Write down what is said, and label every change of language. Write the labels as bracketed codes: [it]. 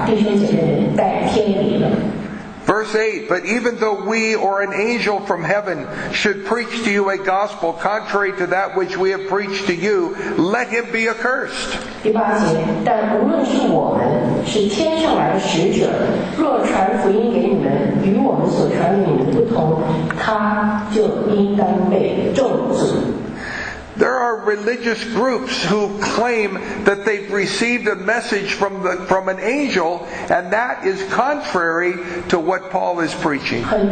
[en] Verse 8, but even though we or an angel from heaven should preach to you a gospel contrary to that which we have preached to you, let him be accursed. [zh] 第八节，但无论是我们是天上来的使者，若传福音给你们与我们所传给你们不同，他就应当被咒诅。 [en] There are religious groups who claim that they've received a message from an angel, and that is contrary to what Paul is preaching.